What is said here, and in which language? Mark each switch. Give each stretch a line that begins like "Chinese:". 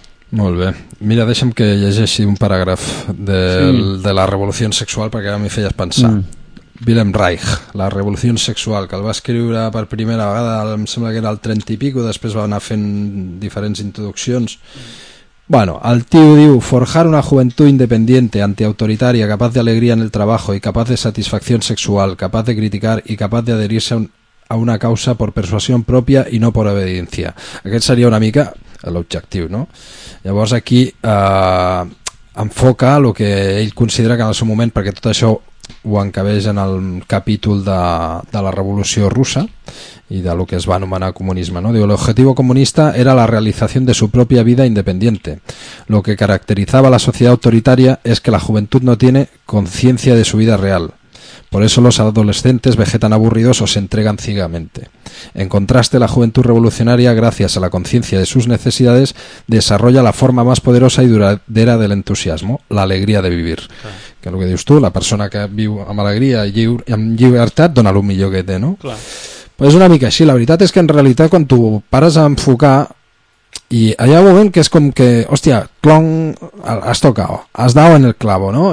Catalan: Molt bé. Mira, deixa'm que llegeixi un paràgraf de, sí, de la revolució sexual perquè ara m'hi feies pensar. Wilhelm Reich, la revolució sexual, que el va escriure per primera vegada, em sembla que era el 30 i pico, després va anar fent diferents introduccions. Bueno, el tio diu:
Spanish: forjar una juventud independiente, antiautoritaria, capaz de alegría en el trabajo y capaz de satisfacción sexual, capaz de criticar y capaz de adherirse a una causa por persuasión propia y no por obediencia.
Catalan: Aquest seria una mica l'objectiu, no? Llavors aquí enfoca el que ell considera que en el seu moment, perquè tot això ho encabeix en el capítol de la revolució russa i de lo que es va anomenar comunisme, no? Diu:
Spanish: l'objetivo comunista era la realización de su propia vida independiente. Lo que caracterizaba a la sociedad autoritaria es que la juventud no tiene conciencia de su vida real. Por eso los adolescentes vegetan aburridos o se entregan ciegamente. En contraste, la juventud revolucionaria, gracias a la conciencia de sus necesidades, desarrolla la forma más poderosa y duradera del entusiasmo, la alegría de vivir. Claro. Que es lo que dius tú,
Catalan: la persona que viu amb alegria i amb llibertat dona el millor que té, no?
Spanish: Claro.
Catalan: Pues és una mica així. La veritat és que en realitat quan tu pares a enfocar, i hi ha un moment que és com que, hòstia, clonc, has tocat,
Spanish: has dado en el clavo,
Catalan: no?